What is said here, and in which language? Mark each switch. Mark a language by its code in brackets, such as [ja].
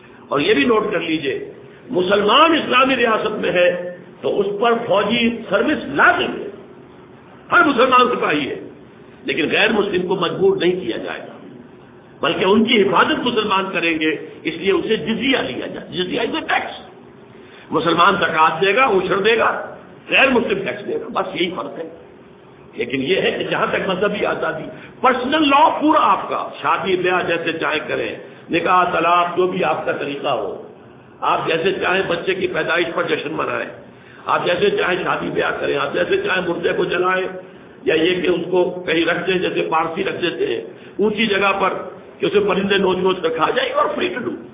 [ur] اور یہ بھی نوٹ کر لیجئے مسلمان اسلامی ریاست میں ہے تو اس پر فوجی سروس لازم ہے, ہر مسلمان سپاہی ہے, لیکن غیر مسلم کو مجبور نہیں کیا جائے گا بلکہ ان کی حفاظت مسلمان کریں گے. اس لیے اسے جزیہ لیا جائے. جزیہ [en] Is a tax. [ur] مسلمان زکات دے گا, اشر دے گا, غیر مسلم ٹیکس دے گا, بس یہی فرق ہے. لیکن یہ ہے کہ جہاں تک مذہبی آزادی, پرسنل لا پورا آپ کا, شادی بیاہ جیسے چاہے کریں, نکاح طلاق جو بھی آپ کا طریقہ ہو, آپ جیسے چاہیں بچے کی پیدائش پر جشن منائیں, آپ جیسے چاہیں شادی بیاہ کریں, آپ جیسے چاہیں مردے کو جلائیں یا یہ کہ اس کو کہیں رکھ دیں جیسے پارسی رکھ دیتے ہیں اونچی جگہ پر کہ اسے پرندے نوچ نوچ کر کھا جائے, اور [en] Free to do.